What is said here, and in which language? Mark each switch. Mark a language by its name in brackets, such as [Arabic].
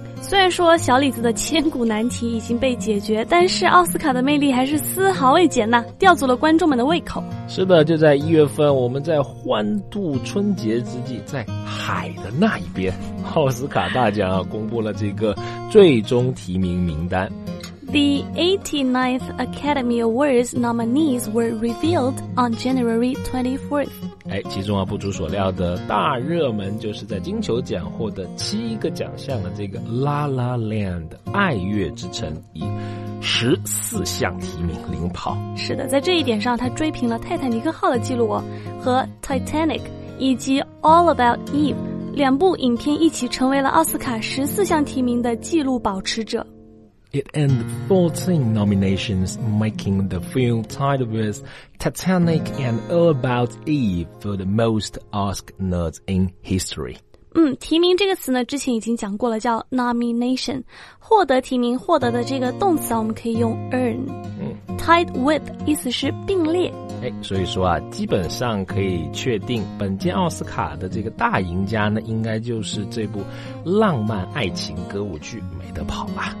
[Chinese] 虽然说小李子的千古难题已经被解决，但是奥斯卡的魅力还是丝毫未减呐，吊足了观众们的胃口。是的，就在一月份，我们在欢度春节之际，在海的那一边，奥斯卡大奖啊，公布了这个最终提名名单。 [English] The 89th Academy Awards nominees were revealed on January 24th. [Chinese] 哎，其中啊，不出所料的大热门就是在金球奖获得7个奖项的这个《La La Land》爱乐之城，以14项提名领跑。是的，在这一点上，他追平了《泰坦尼克号》的记录哦，和《Titanic》以及《All About Eve》两部影片一起成为了奥斯卡14项提名的纪录保持者。 [English] It earned 14 nominations, making the film tied with Titanic and All About Eve for the most Oscar nods in history. [Chinese] 嗯，提名这个词呢，之前已经讲过了，叫 nomination。获得提名，获得的这个动词啊，我们可以用 earn。嗯、tied with 意思是并列。哎，所以说啊，基本上可以确定，本届奥斯卡的这个大赢家呢，应该就是这部浪漫爱情歌舞剧《没得跑》吧。